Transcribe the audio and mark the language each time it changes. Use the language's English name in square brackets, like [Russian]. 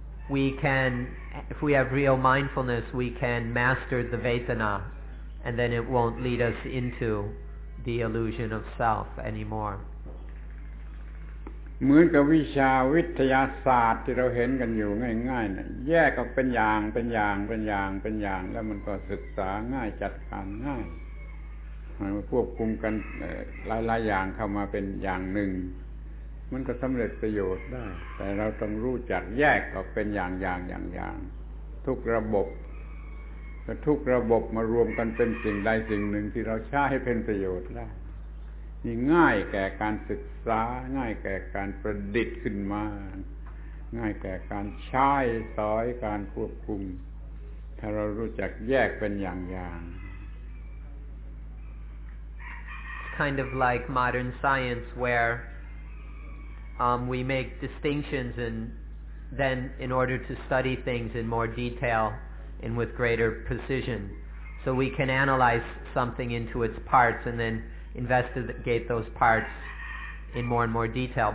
[English] If we have real mindfulness, we can master the Vedana, and then it won't lead us into the illusion of self anymore. [Thai] เหมือนกับวิชาวิทยาศาสตร์ที่เราเห็นกันอยู่ง่ายๆน่ะแยกออกเป็นอย่างเป็นอย่างเป็นอย่างเป็นอย่างแล้วมันก็ศึกษาง่ายจัดการง่ายมันควบคุมกันหลายๆอย่างเข้ามาเป็นอย่างหนึ่งมันก็สำเร็จประโยชน์ได้แต่เราต้องรู้จักแยกออกเป็นอย่างอย่างอย่างอย่างทุกระบบ ก็ทุกระบบมารวมกันเป็นสิ่งใดสิ่งหนึ่งที่เราใช้ให้เป็นประโยชน์ได้นี่ง่ายแก่การศึกษาง่ายแก่การประดิษฐ์ขึ้นมาง่ายแก่การใช้สอยการควบคุมถ้าเรารู้จักแยกเป็นอย่างอย่าง [English] kind of like modern science where we make distinctions and then in order to study things in more detail and with greater precision so we can analyze something into its parts and then investigate those parts in more and more detail.